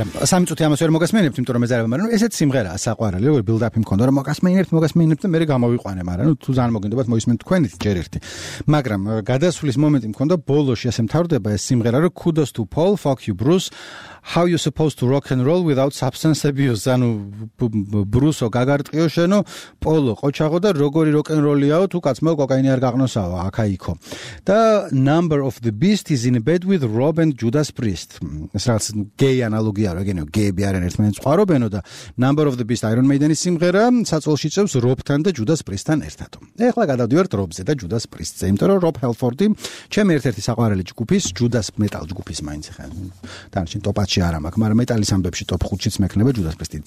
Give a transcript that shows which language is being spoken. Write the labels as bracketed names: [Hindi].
[Georgian] არა, სამი წუთი ამას ვერ მოგასმენებთ, იმიტომ რომ მე ზარება, მაგრამ ესეც სიმღერაა საყვარელი, როგორი ბილდაპი მქონდა, რომ მოგასმენებთ და მე გამოვიყვანე, მაგრამ ნუ თუ ძალიან მოგინდათ მოისმენთ თქვენით ჯერ ერთი. მაგრამ გადასვლის მომენტი მქონდა ბოლოში, ასე მთავრდება ეს სიმღერა, რომ [English] kudos to Paul, fuck you Bruce, how you supposed to rock and roll without substance abuse? [Georgian] ანუ ბრუსო გაგარტყიო შენო, პოლო ყოჩაღო და როგორი rock and roll-იაო, თუ კაცმა კოკაინი არ გაყნოსაო, აქა იქო. და [English] number of the beast is in bed with Rob and Judas Priest. [Georgian] ეს რაღაც gay analogy-ა რა, გენო, gay-ები არიან ერთმანეთს ყვარობენო და number of the beast Iron Maiden-ის სიმღერა საწოლში წევს Rob-თან და Judas Priest-თან ერთად. ეხლა გადავდივართ Rob-ზე და Judas Priest-ზე, იმიტომ რომ Rob Halford-ი ჩემი ერთ-ერთი საყვარელი ჯგუფის, Judas Metal ჯგუფის მაინც ხა. დანარჩენ ტოპაჩი არა მაქვს, მაგრამ მეტალის ამბებში top 5-შიც მექნება Judas Priest-ი.